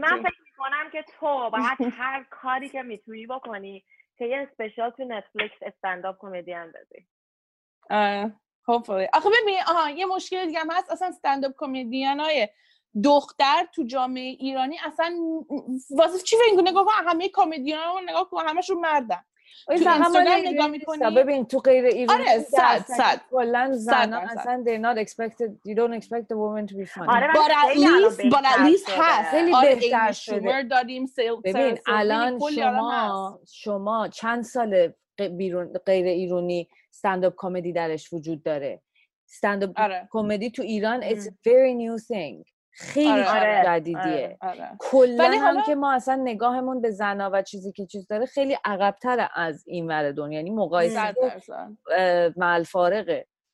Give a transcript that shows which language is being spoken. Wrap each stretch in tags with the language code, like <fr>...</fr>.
<fa>من فکر میکنم که تو باید هر کاری که میتونی بکنی که یه اسپیشال تو نتفلیکس استنداپ کمدین بذاری.</fa> <en>Hopefully.</en> <fa>آخه ببین، آها یه مشکل دیگه هست، اصلا استنداپ کمدینای دختر تو جامعه ایرانی اصلا واسه چی فکر نگاه کن، همه کمدیان رو نگاه کن همشون مردن. تو اینستاگرام نگاه میکنی ببین تو غیر ایرانی، آره صد صد کلا زن اصلا</fa> <en>they're not expected, you don't expect a woman to be funny. آره but at least هست</en> <fa>خیلی بهتر شده. داریم ببین الان شما چند سال غیر ایرانی استندآپ کمدی درش وجود داره؟ استندآپ کمدی تو ایران</fa> <en>it's very new thing،</en> <fa>خیلی جدیدیه. کلا هم که ما اصلا نگاهمون به زنا و چیزی که چیز داره خیلی عقب‌تر از این ور دنیا، یعنی مقایسه مال فارغه.</fa>